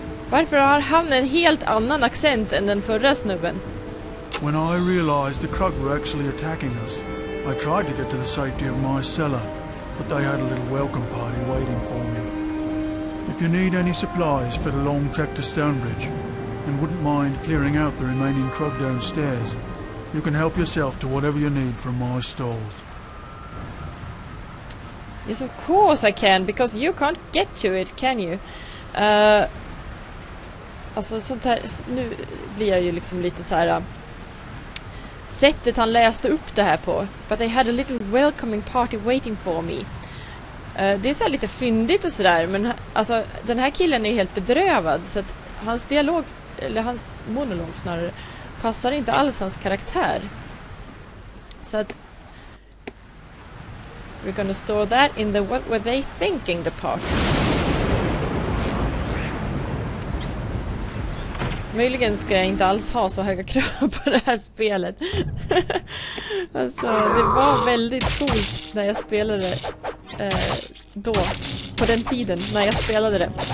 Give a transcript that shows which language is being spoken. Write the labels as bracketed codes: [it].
[sv] Varför har han en helt annan accent än den förra snubben? [en] When I realized the crug were actually attacking us, I tried to get to the safety of my cellar. But they had a little welcome party waiting for me. If you need any supplies for the long trek to Stonebridge, and wouldn't mind clearing out the remaining crug downstairs, you can help yourself to whatever you need from my stalls. Yes, of course I can, because you can't get to it, can you? [sv] Alltså, sånt här, nu blir jag ju liksom lite så här. Sättet han läste upp det här på. [en] But they had a little welcoming party waiting for me. [sv] Det är så här lite fyndigt och sådär. Men alltså, den här killen är helt bedrövad. Så att hans dialog, eller hans monolog snarare, passar inte alls hans karaktär. Så att... [en] We're gonna store that in the what were they thinking department. [sv] Möjligen ska jag inte alls ha så höga krav på det här spelet. Alltså, det var väldigt coolt när jag spelade då. På den tiden när jag spelade det.